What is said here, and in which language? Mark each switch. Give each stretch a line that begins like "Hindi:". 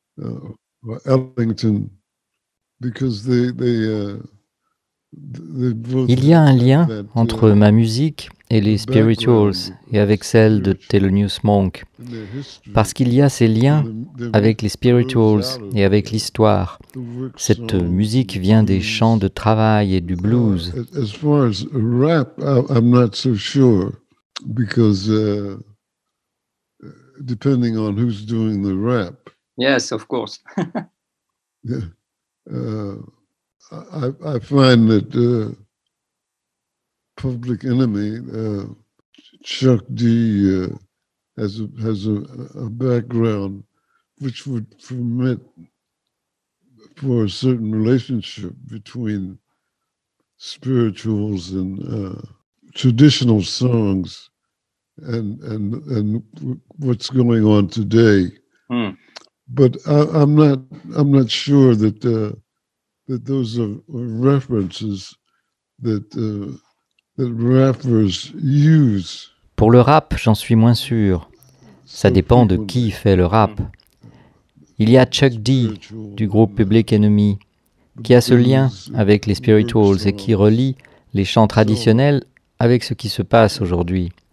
English: or Ellington, because they both.
French: Il y a un lien entre ma musique et les spirituals et avec celle de Thelonious Monk, parce qu'il y a ces liens avec les spirituals et avec l'histoire. Cette musique vient des chants de travail et du blues.
English: As far as rap, I'm not so sure, because depending on who's doing the rap. Yes, of course. I find that Public Enemy, Chuck D, has a background which would permit for a certain relationship between spirituals and traditional songs and what's going on today. But I'm not sure that that those are references that that rappers use.
French: Pour le rap, j'en suis moins sûr. Ça dépend de qui fait le rap. Il y a Chuck D du groupe Public Enemy qui a ce lien avec les spirituals et qui relie les chants traditionnels avec ce qui se passe aujourd'hui.